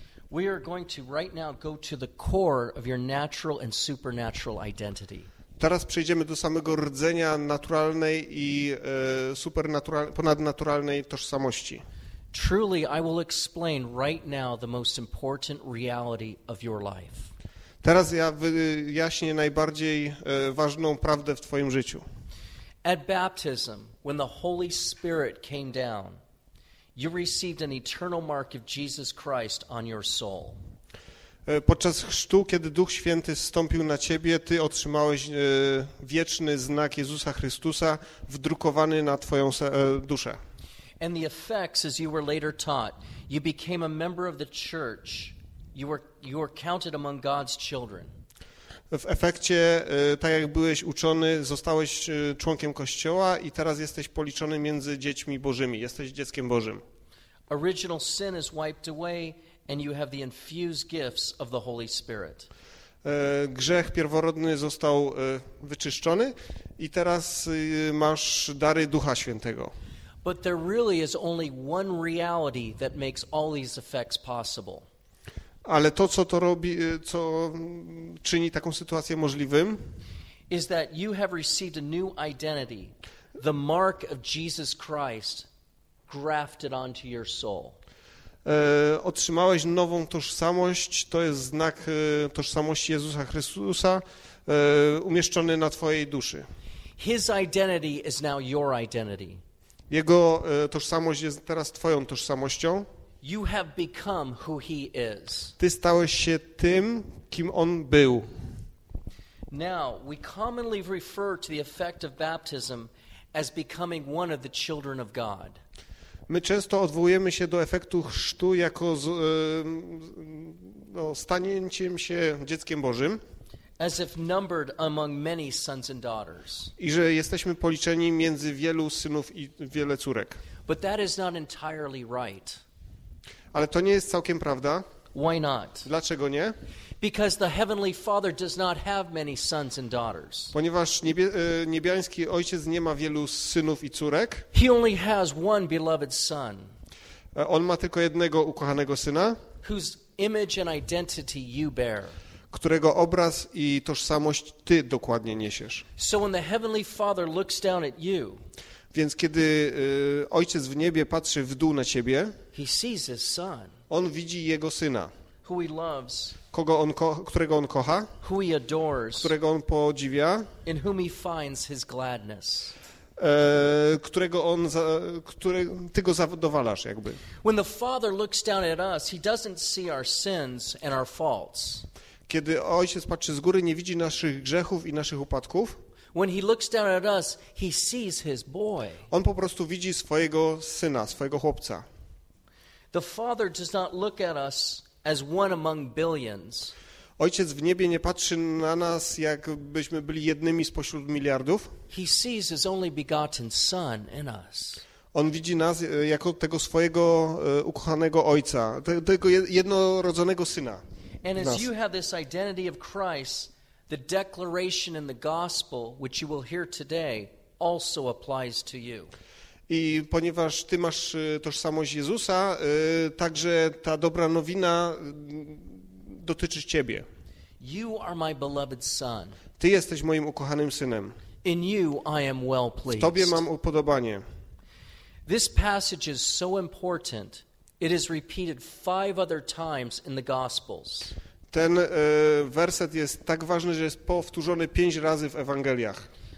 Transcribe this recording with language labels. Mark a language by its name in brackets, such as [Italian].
[English] We are going to right now go to the core of your natural and supernatural identity. [Polish] Teraz przejdziemy do samego rdzenia naturalnej i ponadnaturalnej tożsamości. [English] Truly, I will explain right now the most important reality of your life. [Polish] Teraz ja wyjaśnię najbardziej ważną prawdę w twoim życiu. [English] At baptism, when the Holy Spirit came down, you received an eternal mark of Jesus Christ on your soul. [Polish] Podczas chrztu, kiedy Duch Święty zstąpił na ciebie, ty otrzymałeś wieczny znak Jezusa Chrystusa wdrukowany na twoją duszę. [English] And the effects, as you were later taught, you became a member of the church. You were counted among God's children. [Polish] W efekcie, tak jak byłeś uczony, zostałeś członkiem Kościoła i teraz jesteś policzony między dziećmi Bożymi. Jesteś dzieckiem Bożym. [English] Original sin is wiped away and you have the infused gifts of the Holy Spirit. [Polish] Grzech pierworodny został wyczyszczony i teraz masz dary Ducha Świętego. [English] But there really is only one reality that makes all these effects possible. [Polish] Ale to, co to robi, co czyni taką sytuację możliwym, [English] is that you have received a new identity, the mark of Jesus Christ grafted onto your soul. [Polish] Otrzymałeś nową tożsamość, to jest znak tożsamości Jezusa Chrystusa umieszczony na twojej duszy. [English] His identity is now your identity. [Polish] Jego tożsamość jest teraz twoją tożsamością. [English] You have become who he is. [Polish] Ty stałeś się tym, kim on był. [English] Now, we commonly refer to the effect of baptism as becoming one of the children of God. [Polish] My często odwołujemy się do efektu chrztu jako z, no, stanięciem się dzieckiem Bożym. [English] As if numbered among many sons and daughters. [Polish] I że jesteśmy policzeni między wielu synów i wiele córek. [English] But that is not entirely right. [Polish] Ale to nie jest całkiem prawda. [English] Why not? [Polish] Dlaczego nie? [English] Because the Heavenly Father does not have many sons and daughters. [Polish] Ponieważ niebiański ojciec nie ma wielu synów i córek. [English] He only has one beloved son. [Polish] On ma tylko jednego ukochanego syna. [English] Whose image and identity you bear. [Polish] Którego obraz i tożsamość ty dokładnie niesiesz. [English] So when the Heavenly Father looks down at you. [Polish] Więc kiedy ojciec w niebie patrzy w dół na ciebie. [English] He sees his son. [Polish] On widzi jego syna, [English] who he loves, [Polish] kogo on którego on kocha, [English] who he adores, [Polish] którego on podziwia, [English] in whom he finds his gladness. [Polish] Którego on ty go zadowalasz jakby. [English] When the Father looks down at us, he doesn't see our sins and our faults. [Polish] Kiedy ojciec patrzy z góry, nie widzi naszych grzechów i naszych upadków. [English] When he looks down at us, he sees his boy. [Polish] On po prostu widzi swojego syna, swojego chłopca. [English] The Father does not look at us as one among billions. [Polish] Ojciec w niebie nie patrzy na nas, jakbyśmy byli jednymi spośród miliardów. [English] He sees his only begotten son in us. [Polish] On widzi nas jako tego swojego ukochanego ojca, tego jednorodzonego syna. [English] And as you have this identity of Christ, the declaration in the gospel, which you will hear today, also applies to you. [Polish] I ponieważ ty masz tożsamość Jezusa, także ta dobra nowina dotyczy ciebie. [English] You are my beloved son. [Polish] Ty jesteś moim ukochanym synem. [English] In you I am well pleased. [Polish] W tobie mam upodobanie. [English] This passage is so important, it is repeated 5 other times in the Gospels. [Polish] Ten werset jest tak ważny, że jest powtórzony 5 razy w Ewangeliach.